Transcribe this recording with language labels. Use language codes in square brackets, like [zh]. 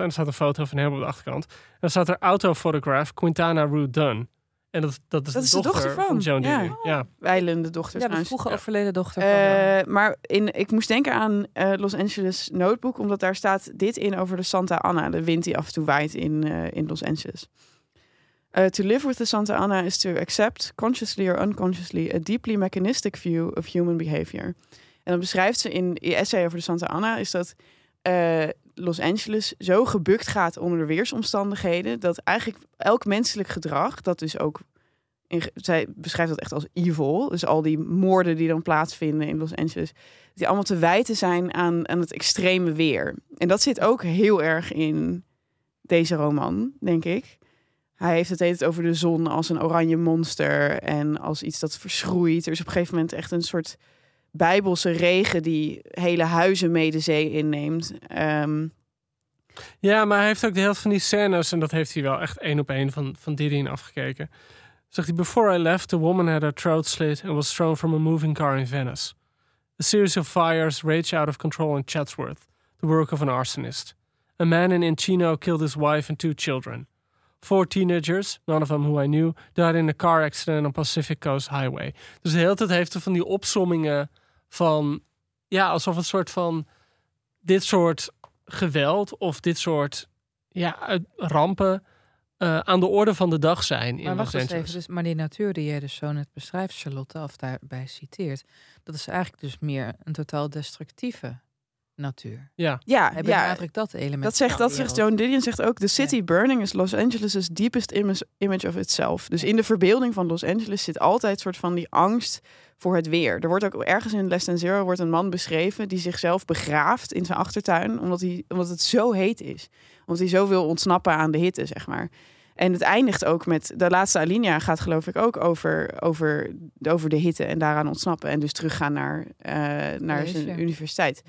[nl] En er staat een foto van hem op de achterkant. En er staat er autofotograaf Quintana Ruth Dunn. En dat is de dochter van Joan Didion. Ja. Weilende dochter. Ja, de vroege overleden dochter. Maar ik moest denken aan Los Angeles Notebook. Omdat daar staat dit in over de Santa Ana. De wind die af en toe waait in Los Angeles. [en] To live with the Santa Ana is to accept, consciously or unconsciously, a deeply mechanistic view of human behavior. [nl] En dan beschrijft ze in je essay over de Santa Ana, is dat... Los Angeles zo gebukt gaat onder de weersomstandigheden... dat eigenlijk elk menselijk gedrag, dat is ook... zij beschrijft dat echt als evil. Dus al die moorden die dan plaatsvinden in Los Angeles... die allemaal te wijten zijn aan het extreme weer. En dat zit ook heel erg in deze roman, denk ik. Hij heeft het hele tijd over de zon als een oranje monster... en als iets dat verschroeit. Er is op een gegeven moment echt een soort... bijbelse regen die hele huizen mee de zee inneemt. Ja, maar hij heeft ook de helft van die scènes... en dat heeft hij wel echt één op één van Didion afgekeken. Zegt hij, [en] before I left, the woman had her throat slit... and was thrown from a moving car in Venice. A series of fires raged out of control in Chatsworth... the work of an arsonist. A man in Encino killed his wife and 2 children. 4 teenagers, none of them who I knew, died in a car accident on Pacific Coast Highway. [nl] Dus de hele tijd heeft er van die opsommingen van... ja, alsof het soort van dit soort geweld of dit soort rampen... aan de orde van de dag zijn. Maar in wacht Los eens Angeles. Even. Dus, maar die natuur die jij dus zo net beschrijft, Charlotte, of daarbij citeert, dat is eigenlijk dus meer een totaal destructieve natuur. Ja. Ja, heb je eigenlijk dat element. Dat zegt Joan Didion zegt ook. [en] The city burning is Los Angeles' deepest image of itself. [nl] Dus in de verbeelding van Los Angeles zit altijd soort van die angst voor het weer. Er wordt ook ergens in Less Than Zero wordt een man beschreven die zichzelf begraaft in zijn achtertuin omdat het zo heet is. Omdat hij zo wil ontsnappen aan de hitte, zeg maar. En het eindigt ook met de laatste alinea gaat geloof ik ook over de hitte en daaraan ontsnappen en dus teruggaan naar zijn universiteit.